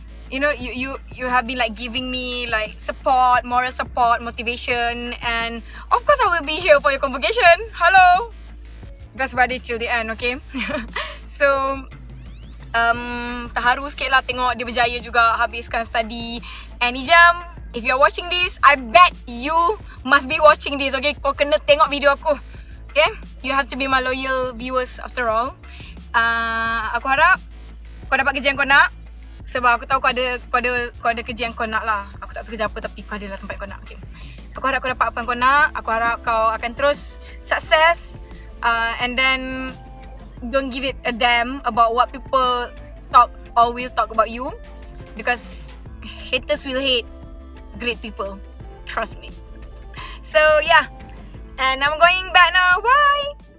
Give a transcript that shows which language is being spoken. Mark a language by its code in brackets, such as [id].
[en] You know, you have been like giving me like support, moral support, motivation, and of course I will be here for your convocation. Hello, that's about it till the end, okay? So [ms] terharu sikit lah tengok dia berjaya juga habiskan study. [en] And Ijam, if you are watching this, I bet you must be watching this, okay? [ms] Kau kena tengok video aku, [en] okay? You have to be my loyal viewers after all. [ms] Aku harap kau dapat kerja yang kau nak. Sebab aku tahu kau ada kerja yang kau nak lah. Aku tak tahu kerja apa tapi kau ada lah tempat kau nak, okay? Aku harap kau dapat apa yang kau nak. Aku harap kau akan terus sukses. [en] And then don't give it a damn about what people talk or will talk about you, because haters will hate great people. Trust me. So yeah, and I'm going back now. Bye.